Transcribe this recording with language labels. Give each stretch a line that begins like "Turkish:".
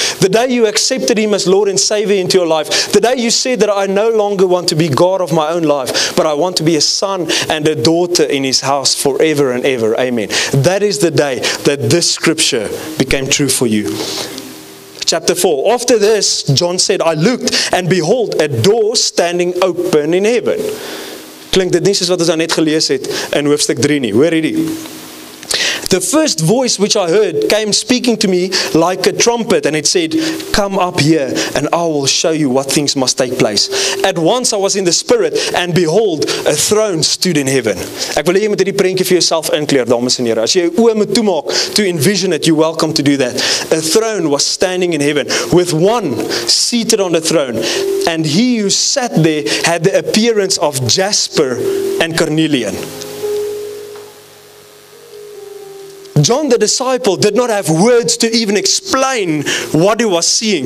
English: The day you accepted him as Lord and Savior into your life. The day you said that I no longer want to be God of my own life, but I want to be a son and a daughter in his house forever and ever. Amen. That is the day that this scripture became true for you. Chapter 4. After this, John said, I looked, and behold, a door standing open in heaven.
Afrikaans: Klink dit nie soos wat ons net gelees het in hoofstuk 3 nie. Hoor hierdie.
English: The first voice which I heard came speaking to me like a trumpet, and it said, come up here, and I will show you what things must take place. At once I was in the spirit, and behold, a throne stood in heaven.
Afrikaans: Ek wil hê jy moet hierdie prentjie vir jouself inkleur, dames en here. As jy oë moet toemaak,
English: to envision it, you're welcome to do that. A throne was standing in heaven, with one seated on the throne, and he who sat there had the appearance of jasper and carnelian. John the disciple did not have words to even explain what he was seeing.